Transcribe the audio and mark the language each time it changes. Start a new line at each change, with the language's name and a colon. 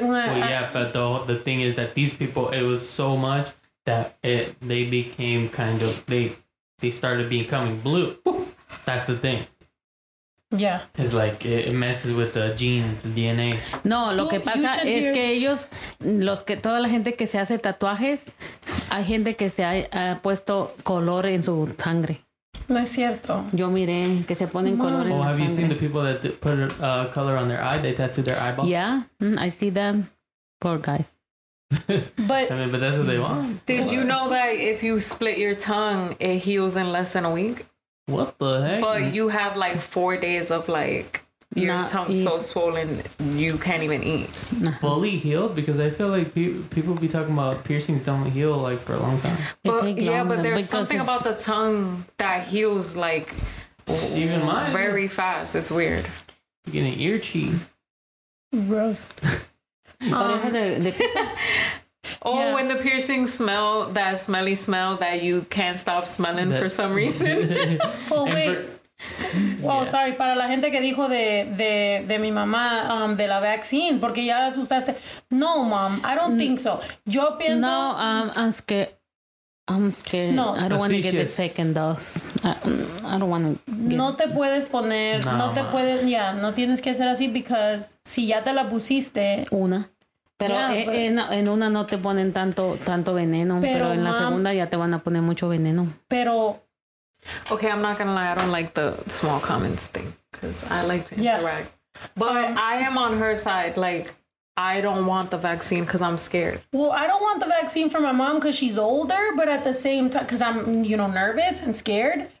English: well, yeah, but the thing is that these people, it was so much that they became kind of, they started becoming blue. That's the thing. Yeah. It's like, it messes with the genes, the DNA.
Spanish: No, lo que pasa es que ellos, toda la gente que se hace tatuajes, hay gente que se ha puesto color en su sangre. No es cierto. Yo miré que se ponen color en la sangre.
English: Oh, have you seen the people that put color on their eye? They tattoo their eyeballs? Yeah, I see them. Poor guys. But that's what they want. Did you know that if you split your tongue, it heals in less than a week? What the heck? But you have like 4 days of like your tongue so swollen, you can't even eat. Fully healed? Because I feel like people be talking about piercings don't heal like for a long time. But there's something about the tongue that heals like even mine. Very fast. It's weird. You're getting ear cheese. Roast. Oh, yeah. When the piercing smell, that smelly smell that you can't stop smelling for some reason. Oh, wait. Oh, yeah. Sorry.
Spanish: Para la gente que dijo de mi mamá, de la vaccine, porque ya la asustaste.
English: No, mom, I don't think so.
Spanish: Yo pienso...
English: No, I'm scared. No. I don't want to get the second dose. I don't want to get...
Spanish: No te puedes poner... No tienes que ser así
English: because
Spanish: si ya te la pusiste... Una. Pero yeah, en una no te ponen tanto veneno, pero en la segunda ya te van a poner mucho veneno. Pero...
English: Okay, I'm not gonna lie. I don't like the small comments thing because I like to interact. But I am on her side. Like, I don't want the vaccine because I'm scared. Well, I don't want the vaccine for my mom because she's older, but at the same time, because I'm, you know, nervous and scared.